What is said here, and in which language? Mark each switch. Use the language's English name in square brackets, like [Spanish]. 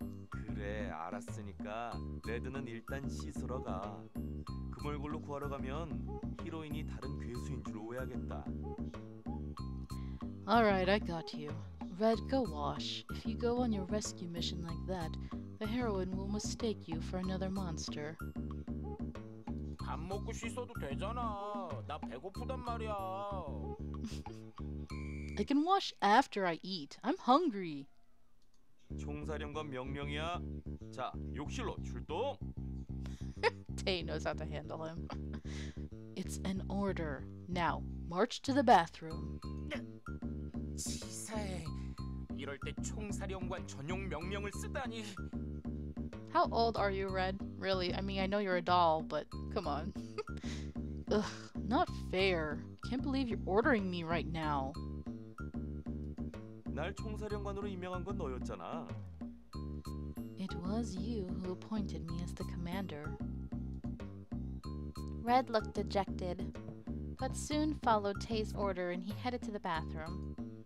[Korean] 그래, 알았으니까 레드는 일단 씻으러 가. 금얼굴로 구하러 가면 히로인이 다른 괴수인 줄 오해하겠다. [English] Alright, I got you. Red, go wash. If you go on your rescue mission like that, the heroine will mistake you for another monster. [Korean] 밥 먹고 씻어도 되잖아. 나 배고프단 말이야. [English] I can wash after I eat. I'm hungry. [Korean] 총사령관 명령이야. 자, 욕실로 출동. [English] Tay knows how to handle him. It's an order. Now, march to the bathroom. [Korean] 치사해. 이럴 때 총사령관 전용 명령을 쓰다니. [English] How old are you, Red? Really, I mean, I know you're a doll, but come on. Ugh, not fair. Can't believe you're ordering me right now. [Korean] 날 총사령관으로 임명한 건 너였잖아. [English] It was you who appointed me as the commander. Red looked dejected, but soon followed Tay's order and he headed to the bathroom.